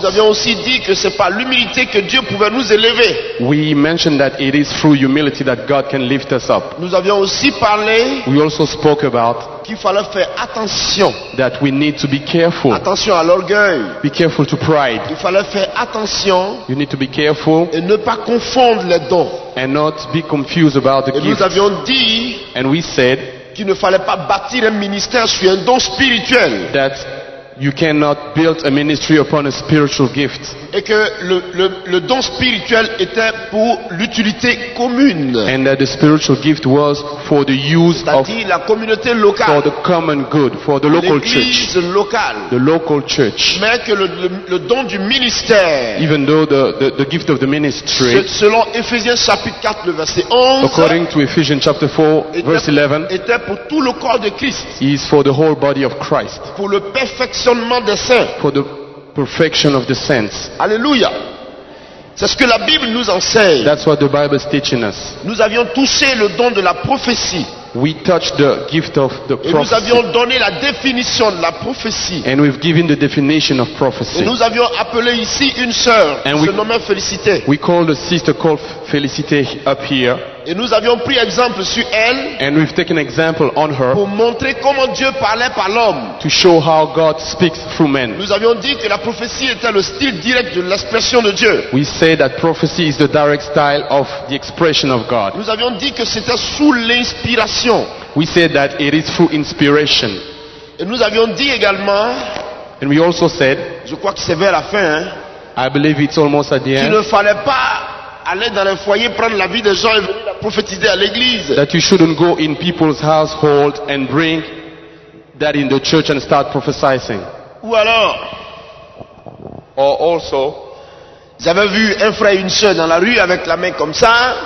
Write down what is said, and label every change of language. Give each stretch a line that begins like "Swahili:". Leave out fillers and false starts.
French: Nous avions aussi dit que c'est par l'humilité que Dieu pouvait nous élever.
English: We mentioned that it is through humility that God can lift us up.
French: Nous avions aussi parlé,
English: we also spoke about,
French: qu'il fallait faire attention,
English: that we need to be careful,
French: attention à l'orgueil,
English: be careful to pride.
French: Il fallait faire attention,
English: you need to be careful,
French: et ne pas confondre les dons,
English: and not be confused about the
French: et
English: gifts.
French: Nous avions dit,
English: and we said,
French: qu'il ne fallait pas bâtir un ministère sur un don spirituel,
English: that you cannot build a ministry upon a spiritual gift,
French: et que le don spirituel était pour l'utilité commune,
English: and that the spiritual gift was for the use,
French: c'est-à-dire
English: of
French: la communauté locale,
English: for the common good, for the local
French: l'église
English: church,
French: locale,
English: the local church,
French: mais que le don du ministère,
English: even though the gift of the ministry,
French: selon Ephésiens chapitre 4 le verset 11,
English: according to Ephesians chapter 4 verse 11,
French: était pour tout le corps de Christ,
English: is for the whole body of Christ,
French: pour le perfect des saints.
English: For the perfection of the saints.
French: Alléluia. C'est ce que la Bible nous enseigne.
English: That's what the Bible is teaching us.
French: Nous avions touché le don de la prophétie.
English: We touched the gift of the prophecy.
French: Et nous avions donné la définition de la prophétie.
English: And we've given the definition of prophecy.
French: Et nous avions appelé ici une sœur,
English: and
French: se nommait Félicité.
English: We called a sister called Félicité up here.
French: Et nous avions pris exemple sur elle,
English: and we've taken example on her,
French: pour montrer comment Dieu parlait par l'homme,
English: to show how God speaks through men.
French: Nous avions dit que la prophétie était le style direct de l'expression de Dieu.
English: We say that prophecy is the direct style of the expression of God.
French: Nous avions dit que c'était sous l'inspiration.
English: We said that it is through inspiration.
French: Et nous avions dit également,
English: and we also said,
French: je crois que c'est vers la fin,
English: I believe it's almost at the end,
French: qu'il ne fallait pas aller dans les foyers prendre la vie des gens et venir la prophétiser à l'église.
English: That you shouldn't go in people's household and bring that in the church and start prophesying.
French: Ou alors,
English: or also,
French: j'avais vu un frère et une sœur dans la rue avec la main comme ça.